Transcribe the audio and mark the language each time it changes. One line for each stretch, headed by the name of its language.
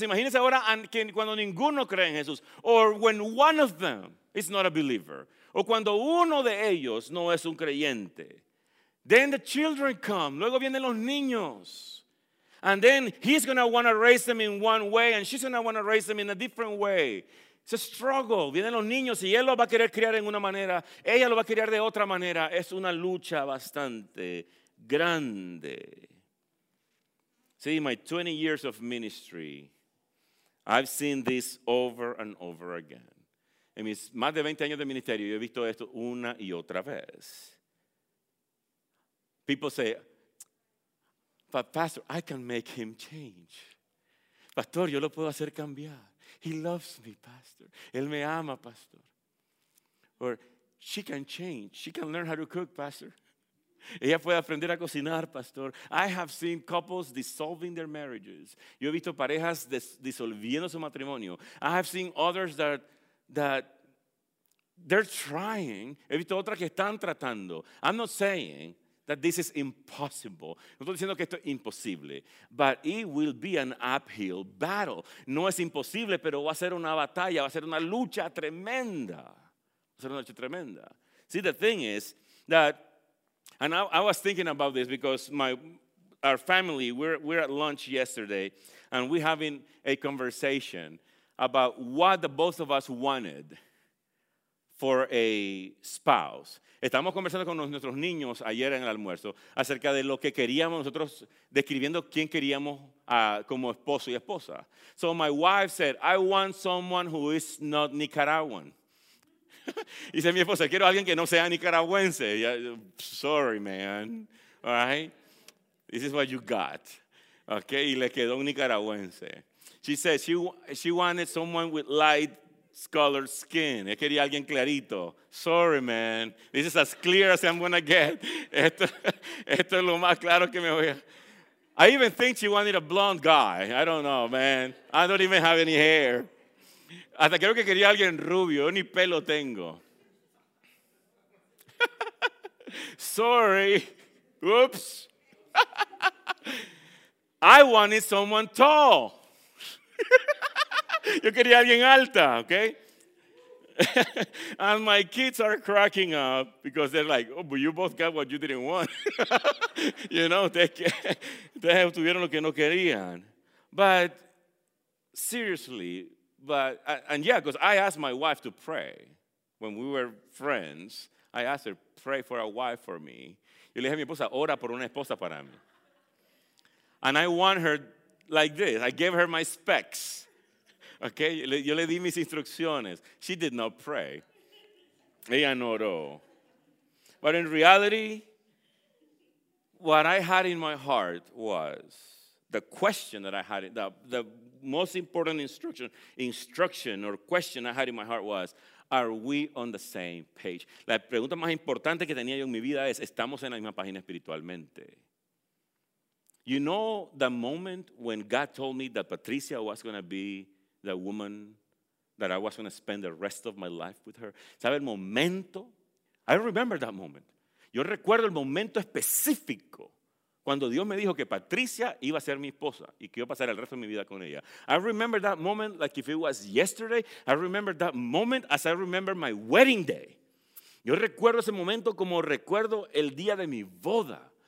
Spanish: Imagínense ahora cuando ninguno cree en Jesús.
English: Or when one of them is not a believer.
Spanish: O cuando uno de ellos no es un creyente.
English: Then the children come.
Spanish: Luego vienen los niños.
English: And then he's going to want to raise them in one way and she's going to want to raise them in a different way. It's a struggle.
Spanish: Vienen los niños y él los va a querer criar en una manera, ella los va a criar de otra manera. Es una lucha bastante grande.
English: See, my 20 years of ministry, I've seen this over and over again.
Spanish: En mis más de 20 años de ministerio, yo he visto esto una y otra vez.
English: People say, but pastor, I can make him change.
Spanish: Pastor, yo lo puedo hacer cambiar.
English: He loves me, pastor.
Spanish: Él me ama, pastor.
English: Or she can change. She can learn how to cook, pastor.
Spanish: Ella puede aprender a cocinar, pastor.
English: I have seen couples dissolving their marriages.
Spanish: Yo he visto parejas disolviendo su matrimonio.
English: I have seen others that they're trying.
Spanish: He visto otras que están tratando.
English: I'm not saying that this is impossible.
Spanish: No estoy diciendo que esto es imposible.
English: But it will be an uphill battle.
Spanish: No es imposible, pero va a ser una batalla. Va a ser una lucha tremenda. Va a ser una lucha tremenda.
English: See, the thing is that, and I was thinking about this because our family, we're at lunch yesterday, and we're having a conversation about what the both of us wanted for a spouse.
Spanish: Estamos conversando con nuestros niños ayer en el almuerzo acerca de lo que queríamos nosotros, describiendo quién queríamos como esposo y esposa.
English: So my wife said, I want someone who is not Nicaraguan.
Spanish: Y dice mi esposa, quiero alguien que no sea nicaragüense.
English: Sorry, man. All right? This is what you got.
Spanish: Okay? Y le quedó un nicaragüense.
English: She said she wanted someone with light colored skin.
Spanish: Ella quería alguien clarito.
English: Sorry, man. This is as clear as I'm going to get.
Spanish: Esto es lo más claro que me voy a...
English: I even think she wanted a blonde guy. I don't know, man. I don't even have any hair.
Spanish: Hasta creo que quería alguien rubio. Yo ni pelo tengo.
English: Sorry. Oops. I wanted someone tall.
Spanish: Yo quería alguien alta, okay?
English: And my kids are cracking up because they're like, oh, but you both got what you didn't want. You know,
Spanish: ustedes obtuvieron lo que no querían.
English: But seriously, because I asked my wife to pray when we were friends. I asked her, pray for a wife for me.
Spanish: Yo le dije a mi esposa, ora por una esposa para mí.
English: And I want her like this. I gave her my specs.
Spanish: Okay, yo le di mis instrucciones.
English: She did not pray.
Spanish: Ella no oró.
English: But in reality, what I had in my heart was the question that I had, the most important instruction or question I had in my heart was, are we on the same page?
Spanish: La pregunta más importante que tenía yo en mi vida es, ¿estamos en la misma página espiritualmente?
English: You know the moment when God told me that Patricia was going to be the woman that I was going to spend the rest of my life with her?
Spanish: ¿Sabe el momento?
English: I remember that moment.
Spanish: Yo recuerdo el momento específico cuando Dios me dijo que Patricia iba a ser mi esposa y que iba a pasar el resto de mi vida con ella.
English: I remember that moment like if it was yesterday. I remember that moment as I remember my wedding day.
Spanish: Yo recuerdo ese momento como recuerdo el día de mi boda.